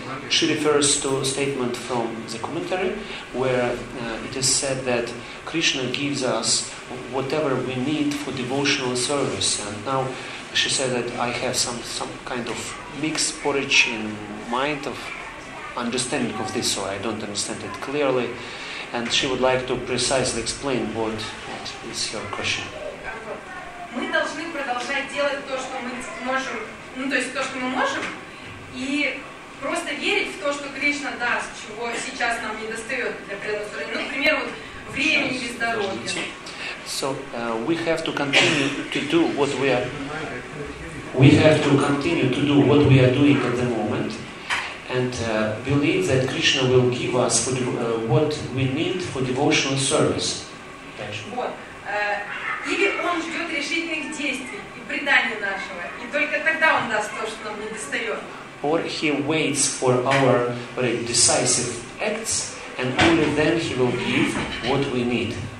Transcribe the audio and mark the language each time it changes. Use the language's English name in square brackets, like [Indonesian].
[English] She refers to a statement from the commentary where it is said that Krishna gives us whatever we need for devotional service. And now she said that I have some kind of mixed porridge in mind of understanding of this, so I don't understand it clearly. And she would like to precisely explain what is her question. [Russian] We должны продолжать делать то, что мы можем, ну то есть то, что мы можем, и просто верить в то, что Кришна даст, чего сейчас нам не достает для преданного служения. Ну, например, вот времени и здоровья. [English] So we have to continue to do what we are. We have to continue to do what we are doing at the moment, and believe that Krishna will give us for what we need for devotional service. [Russian] Вот. Или он ждет решительных действий и предания нашего, и только тогда он даст то, что нам не достает. [English] Or he waits for our very decisive acts, and only then he will give what we need.